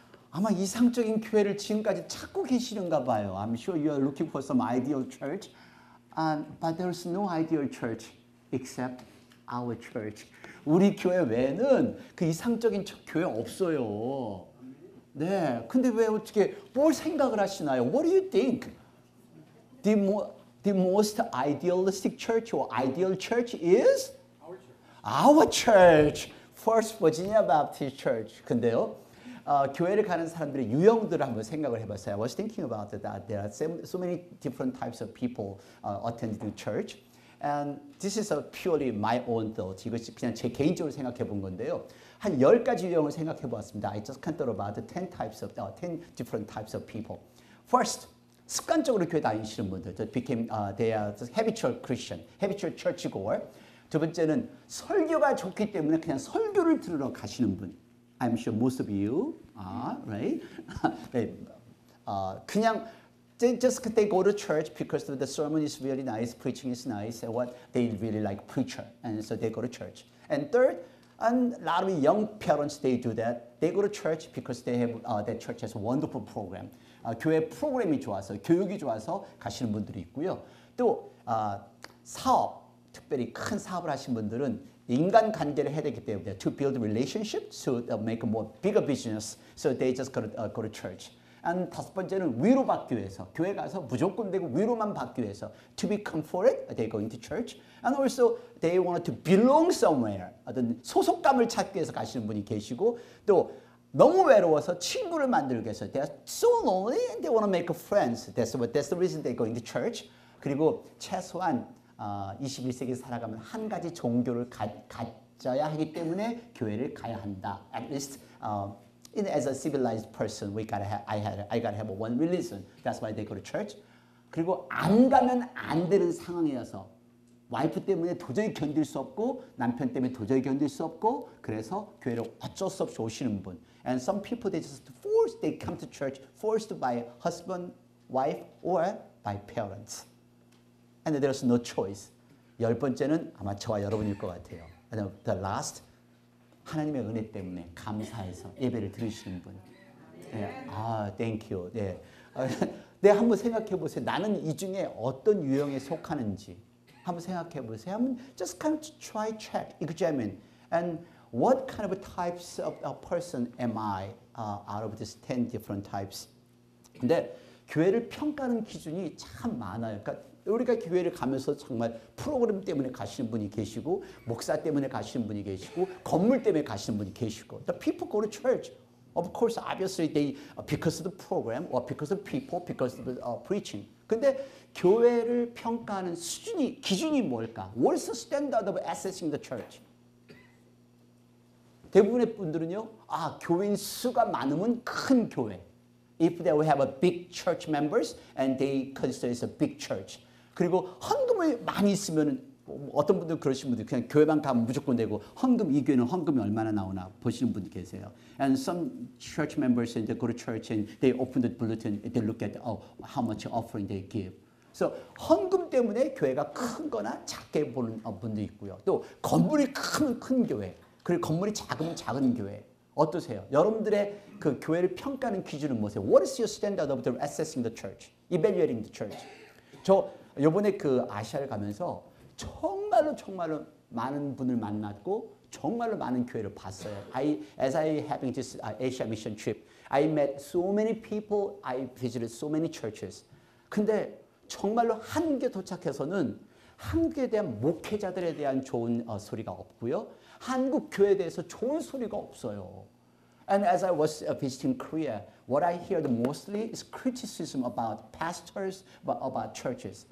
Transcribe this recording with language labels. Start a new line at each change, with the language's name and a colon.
Korean: 아마 이상적인 교회를 지금까지 찾고 계시는가 봐요.
English: I'm sure you are looking for some ideal church, but there's no ideal church except our church.
Korean: 우리 교회 외에는 그 이상적인 교회 없어요. 네. 근데 왜 어떻게 뭘 생각을 하시나요?
English: What do you think? The most idealistic church or ideal church is our church, First Virginia Baptist Church.
Korean: 근데요, 교회를 가는 사람들의 유형들을 한번 생각을 해봤어요.
English: I was thinking about that there are so many different types of people attend the church, and this is a purely my own thought.
Korean: 이것이 그냥 제 개인적으로 생각해 본 건데요. 한 10가지 유형을 생각해 보았습니다.
English: I just can't think about 10 types of 10 different types of people. First,
Korean: 습관적으로 교회 다니시는 분들,
English: they are habitual Christian, habitual churchgoer.
Korean: 두 번째는 설교가 좋기 때문에 그냥 설교를 들으러 가시는 분.
English: I'm sure most of you are, right?
Korean: 네. 그냥
English: just they go to church because the sermon is really nice, preaching is nice, and what they really like preacher, and so they go to church. And third, and a lot of young parents they do that. They go to church because they have their church has a wonderful program.
Korean: 교회 프로그램이 좋아서, 교육이 좋아서 가시는 분들이 있고요. 또 사업, 특별히 큰 사업을 하신 분들은 인간관계를 해야 되기 때문에
English: to build relationship, to make a more bigger business, so they just go to church.
Korean: And 다섯 번째는 위로받기 위해서, 교회 가서 무조건 되고 위로만 받기 위해서
English: to be comforted, they go into church. And also they want to belong somewhere,
Korean: 어떤 소속감을 찾기 위해서 가시는 분이 계시고 또 너무 외로워서 친구를 만들기 위해서
English: they are so lonely and they want to make friends. That's the reason they go into church.
Korean: 그리고 최소한 21세기 살아가면 한 가지 종교를 가져야 하기 때문에 교회를 가야 한다.
English: At least as a civilized person, I gotta have one religion. That's why they go to church.
Korean: 그리고 안 가면 안 되는 상황이어서 와이프 때문에 도저히 견딜 수 없고 남편 때문에 도저히 견딜 수 없고 그래서 교회를 어쩔 수 없이 오시는 분.
English: And some people they just forced they come to church forced by husband, wife, or by parents. And there's no choice.
Korean: 열 번째는 아마 저와 여러분일 것 같아요.
English: And the last,
Korean: 하나님의 은혜 때문에 감사해서 예배를 드리시는 분. 네. 아,
English: thank you.
Korean: 네. 네, 한번 생각해 보세요. 나는 이 중에 어떤 유형에 속하는지 한번 생각해 보세요. 한번
English: just kind of try check, examine, and what kind of types of a person am I out of these 10 different types?
Korean: 근데 교회를 평가하는 기준이 참 많아요. 그러니까 우리가 교회를 가면서 정말 프로그램 때문에 가시는 분이 계시고 목사 때문에 가시는 분이 계시고 건물 때문에 가시는 분이 계시고
English: the people go to church. Of course, obviously, they because of the program or because of people, because of the preaching.
Korean: 근데 교회를 평가하는 수준이 기준이 뭘까?
English: What's the standard of assessing the church?
Korean: 대부분의 분들은요, 아, 교인 수가 많으면 큰 교회.
English: If they will have a big church members and they consider it a big church.
Korean: 그리고 헌금을 많이 있으면 어떤 분들 그러신 분들 그냥 교회만 가면 무조건 되고 헌금, 이 교회는 헌금이 얼마나 나오나 보시는 분들 계세요.
English: And some church members and they go to church and they open the bulletin and they look at how much offering they give.
Korean: So, 헌금 때문에 교회가 큰 거나 작게 보는 분도 있고요. 또 건물이 크면 큰 교회. 그리고 건물이 작으면 작은 교회. 어떠세요? 여러분들의 그 교회를 평가하는 기준은 뭐세요?
English: What is your standard of assessing the church? Evaluating the church.
Korean: 저 요번에 그 아시아를 가면서 정말로 정말로 많은 분을 만났고 정말로 많은 교회를 봤어요.
English: As I having this Asia mission trip, I met so many people, I visited so many churches.
Korean: 근데 정말로 한 개 도착해서는 한국에 대한 목회자들에 대한 좋은 소리가 없고요. 한국 교회에 대해서 좋은 소리가 없어요.
English: And as I was visiting Korea, what I heard mostly is criticism about pastors, about churches.